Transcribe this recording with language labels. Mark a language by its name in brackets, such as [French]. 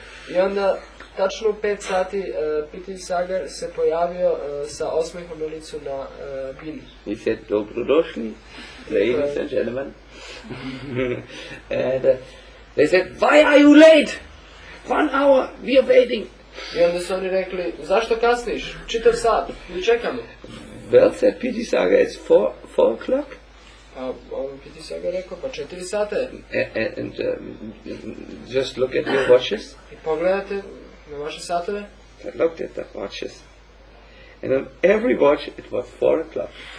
[Serbian] I onda, tačno u 5 sati, Piti Saga se pojavio sa osmehom na licu na bini. [English] He said, [Serbian] dobrodošli, [English] ladies and gentlemen. And they said, why are you late? 1 hour, we are waiting. [Serbian] I onda su oni rekli, zašto kasniš? Čitav sat, mi čekamo. [English] Well, said Piti Saga, it's 4 o'clock. [Serbian] Piti Saga rekao, pa 4 sata je. [English] And just look at your watches. [Serbian] I pogledajte na vaše satove. [English] I looked at the watches. And on every watch it was 4 o'clock.